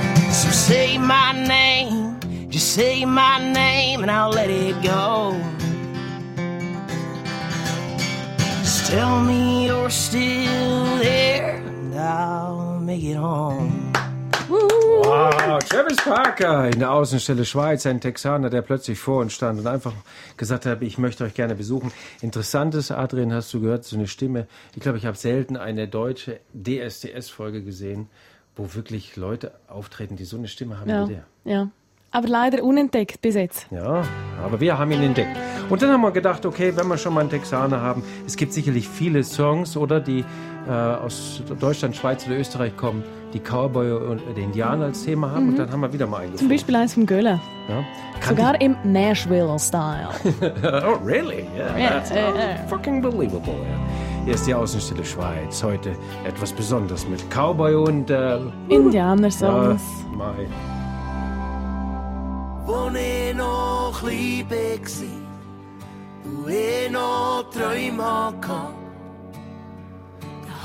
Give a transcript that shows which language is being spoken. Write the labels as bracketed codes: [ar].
[en] So say my name. Just say my name and I'll let it go. Just tell me you're still there and I'll make it home. [de] Wow, Travis Parker in der Außenstelle Schweiz, ein Texaner, der plötzlich vor uns stand und einfach gesagt hat, ich möchte euch gerne besuchen. Interessantes, Adrian, hast du gehört, so eine Stimme. Ich glaube, ich habe selten eine deutsche DSDS-Folge gesehen, wo wirklich Leute auftreten, die so eine Stimme haben ja, wie der. Ja. Aber leider unentdeckt bis jetzt. Ja, aber wir haben ihn entdeckt. Und dann haben wir gedacht, okay, wenn wir schon mal einen Texaner haben, es gibt sicherlich viele Songs, oder, die aus Deutschland, Schweiz oder Österreich kommen, die Cowboy und die Indianer als Thema haben. Mhm. Und dann haben wir wieder mal einen gefunden. Zum Beispiel eins vom Göller. Ja. Sogar im Nashville-Style. [en] Oh, really? Yeah, yeah, that's fucking believable. Yeah. [de] Hier ist die Außenstelle Schweiz. Heute etwas Besonderes mit Cowboy und Indianer-Songs. Mei. Wo ich noch klein war, wo ich noch Träume hatte, da